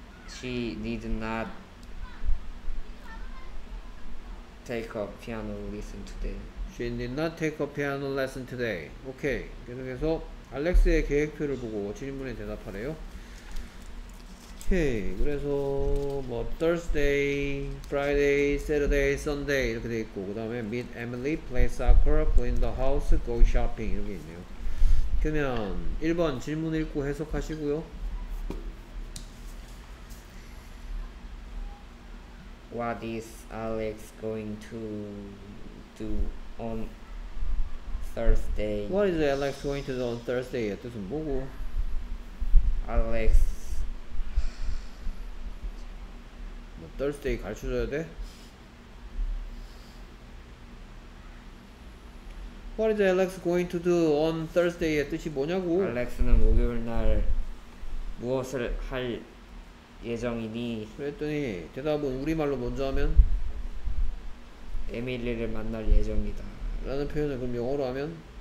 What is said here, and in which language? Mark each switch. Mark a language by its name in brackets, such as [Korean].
[English] She need not take a piano lesson today. She did not take a piano lesson today. Okay. [Korean] 계속해서 알렉스의 계획표를 보고 질문에 대답하래요. Okay. 그래서 뭐 Thursday, Friday, Saturday, Sunday 이렇게 돼 있고 그 다음에 [English] meet Emily, play soccer, clean the house, go shopping [Korean] 이런 게 있네요. 그러면 1번 질문 읽고 해석하시고요. [English] What is Alex going to do on Thursday? What is Alex going to do on Thursday? [Korean] 뜻은 뭐고? [English] Alex... [Korean] 뭐, Thursday 가르쳐줘야 돼? [English] What is Alex going to do on Thursday의 [Korean] 뜻이 뭐냐고? 알렉스는 목요일 날 무엇을 할 예정이니? 그랬더니 대답은 우리말로 먼저 하면? 에밀리를 만날 예정이다 라는 표현을 그럼 영어로 하면?